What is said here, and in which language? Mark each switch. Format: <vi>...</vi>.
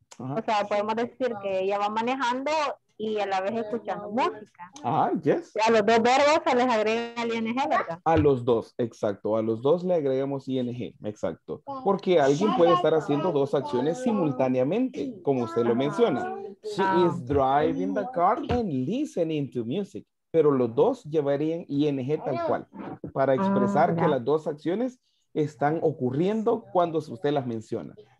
<es>O sea, podemos decir que ella va manejando y a la vez escuchando música.</es> <en>Ah, yes.</en> <es>A los dos verbos se les agrega el ING, ¿verdad? A los dos, exacto. A los dos le agregamos ING, exacto. Porque alguien puede estar haciendo dos acciones simultáneamente, como usted lo menciona.</es> <en>She is driving the car and listening to music.</en> <es>Pero los dos llevarían ING tal cual, para expresar que las dos acciones están ocurriendo cuando usted las menciona.</es>